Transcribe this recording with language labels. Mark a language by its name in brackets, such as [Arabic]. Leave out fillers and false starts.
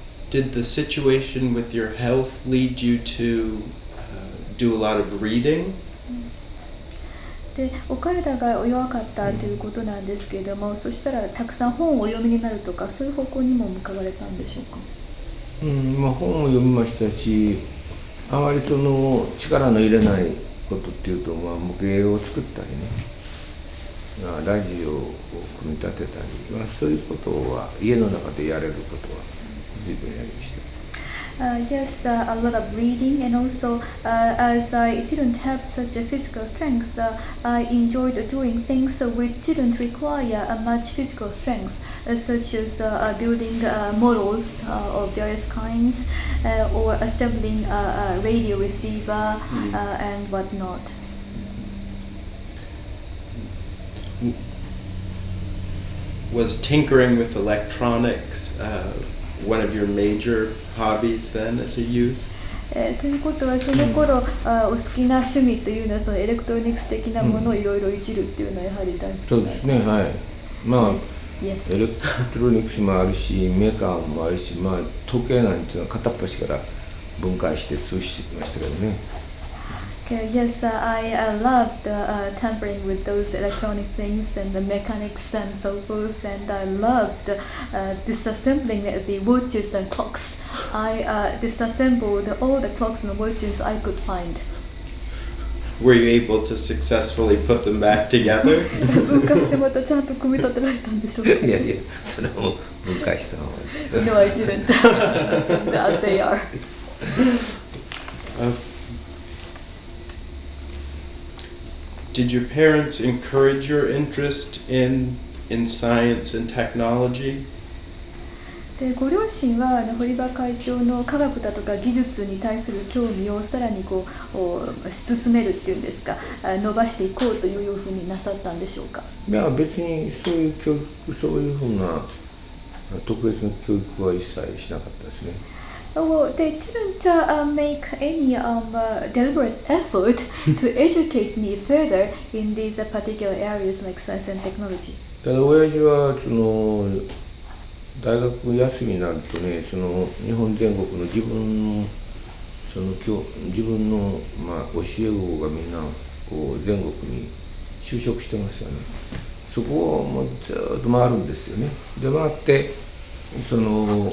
[English] Did the situation with your health lead you to do a lot of reading? [Japanese] でお体が弱かったということなんですけれども、そしたらたくさん本をお読みになるとか、そういう方向にも向かわれたんでしょうか。まあ、本を読みましたし、あまりその力の入れないことっていうと、まあ、模型を作ったりね、まあ、ラジオを組み立てたり、まあ、そういうことは家の中でやれることは随分やりました。 [English] Yes, a lot of reading, and also as I didn't have such a physical strength, I enjoyed doing things which didn't require much physical strength, such as building models of various kinds, or assembling a radio receiver, and whatnot. Was tinkering with electronics one of your major hobbies then as a youth? [Japanese] ということはその頃、お好きな趣味というのはそのエレクトロニクス的なものをいろいろいじるっていうのはやはり大好きだ。そうですね、はい。まあ、 [English] yes. Yes. [Japanese] エレクトロニクスもあるし、メーカーもあるし、まあ時計なんていうのは片っ端から分解して通してきましたけどね。 [English] Okay, yes, I loved tampering with those electronic things and the mechanics and so forth, and I loved disassembling the watches and clocks. I disassembled all the clocks and watches I could find. Were you able to successfully put them back together? No, I didn't. That they are. Did your parents encourage your interest in science and technology? [Japanese] で、ご両親は堀場会長の科学だとか技術に対する興味をさらにこう進めるっていうんですか、伸ばしていこうというふうになさったんでしょうか。いや、別にそういう教育、そういうふうな特別な教育は一切しなかったですね。 [English] Well, they didn't make any deliberate effort to educate me further in these particular areas like science and technology. [Japanese] ただ親父はその大学休みになるとね、その日本全国の自分のその教自分のまあ教え子がみんなこう全国に就職してますよね。そこをもうずっと回るんですよね。で回ってその。